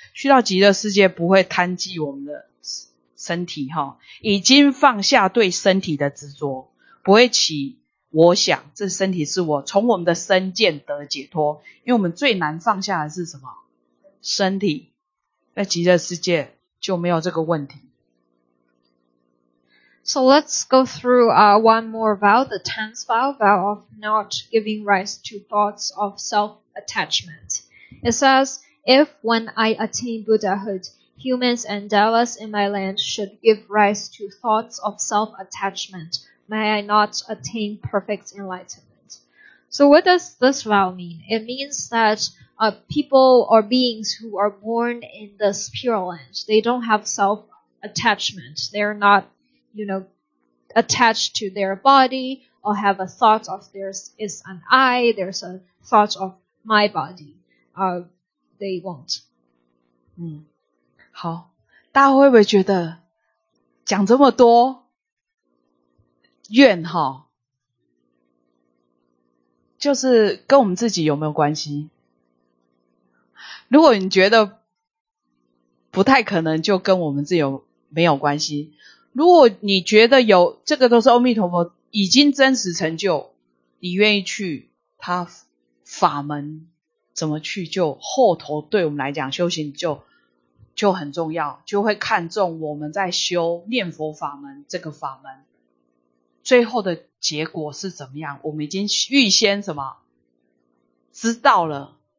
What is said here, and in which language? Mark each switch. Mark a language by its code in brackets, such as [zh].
[zh] 去到极乐世界不会贪寄我们的身体，已经放下对身体的执着，不会起我想这身体是我，从我们的身见得解脱。因为我们最难放下的是什么？身体。在极乐世界就没有这个问题。 [en] So let's go through one more vow, the tenth vow, vow of not giving rise to thoughts of self-attachment. It says, if when I attain Buddhahood, humans and devas in my land should give rise to thoughts of self-attachment, may I not attain perfect enlightenment. So what does this vow mean? It means that people or beings who are born in this pure land, they don't have self-attachment. They're notyou know, attached to their body or have a thought of there is an I, there's a thought of my body, they won't. [zh] 好，大家会不会觉得讲这么多愿齁，就是跟我们自己有没有关系？如果你觉得不太可能就跟我们自己有没有关系，如果你觉得有这个都是阿弥陀佛已经真实成就，你愿意去他法门怎么去，就后头对我们来讲修行就很重要，就会看重我们在修念佛法门这个法门最后的结果是怎么样，我们已经预先什么知道了。